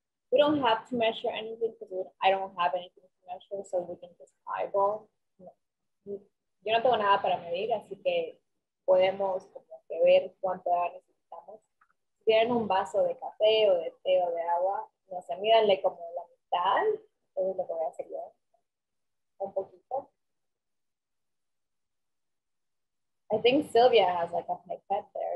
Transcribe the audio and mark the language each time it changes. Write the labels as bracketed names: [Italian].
[English] We don't have to measure anything because I don't have anything to measure, so we can just eyeball. [Spanish] Yo no tengo nada para medir, así que podemos como que ver cuánto agua necesitamos. Si tienen un vaso de café o de té o de agua, no sé, mídanle como la mitad. Eso es lo que voy a hacer yo. Un poquito. [English] I think Sylvia has like a pipette there.